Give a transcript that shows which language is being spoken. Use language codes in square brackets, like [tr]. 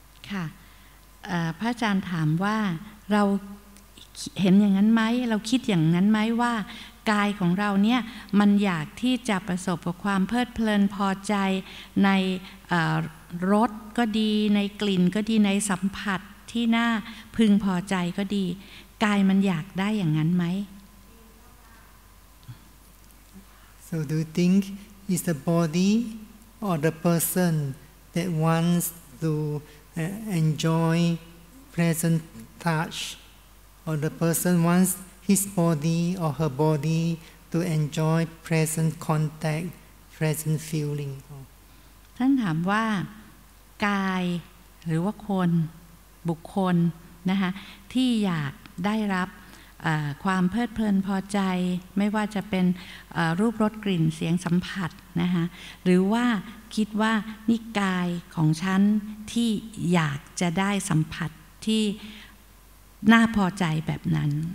[th] ค่ะพระอาจารย์ถามว่าเราเห็นอย่างนั้นไหมเราคิดอย่างนั้นไหมว่ากายของเราเนี่ยมันอยากที่จะประสบกับความเพลิดเพลินพอใจในรสก็ดีในกลิ่นก็ดีในสัมผัสที่น่าพึงพอใจก็ดีกายมันอยากได้อย่างนั้นไหม [en] So do you think it's the body or the person that wants to enjoy pleasant touch or the person wants his body or her body to enjoy pleasant contact, pleasant feeling? [th] ท่านถามว่ากายหรือว่าคนบุคคล นะคะที่อยากได้รับความเพลิดเพลินพอใจไม่ว่าจะเป็นรูปรสกลิ่นเสียงสัมผัสนะคะหรือว่าคิดว่านี่กายของฉันที่อยากจะได้สัมผัสที่น่าพอใจแบบนั้น